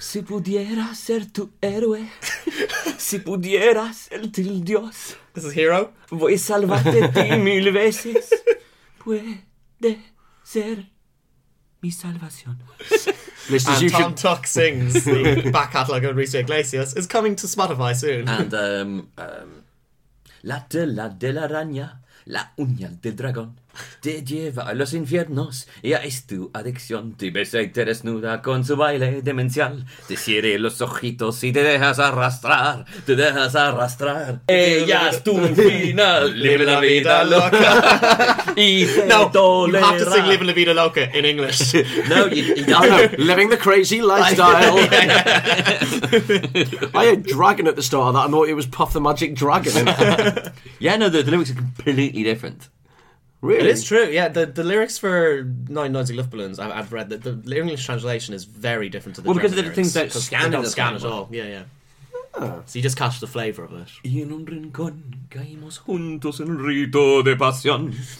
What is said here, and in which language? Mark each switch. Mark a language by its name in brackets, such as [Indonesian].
[Spanish] Si pudiera ser tu héroe, si pudiera ser tu dios. [English] This is Hero. [Spanish] Voy salvarte mil veces. Puede ser mi salvación. [English] Listers, and Tom Tuck sings the back catalogue of Enrique Iglesias is coming to Spotify soon. [Spanish] And La tela de la araña, la uña del dragón, te lleva a los infiernos, ya es tu adicción. Te besa y te desnuda con su baile demencial, te cierre los ojitos y te dejas arrastrar, te dejas arrastrar. Ella es tu final, live la vida loca. Y [English] no, you have to sing Live la vida loca in English. No, you don't. Living the crazy lifestyle. I had dragon at the start of that, I thought it was Puff the Magic Dragon. Yeah, no, the lyrics are completely different. Really? It is true, yeah. The lyrics for 99 Luftballons, I've read that the English translation is very different to the German lyrics. Well, because the things don't scan, they don't scan at all. Yeah, yeah. Ah. So you just catch the flavour of it. [Spanish] Y en un rincón caímos juntos en rito de pasión.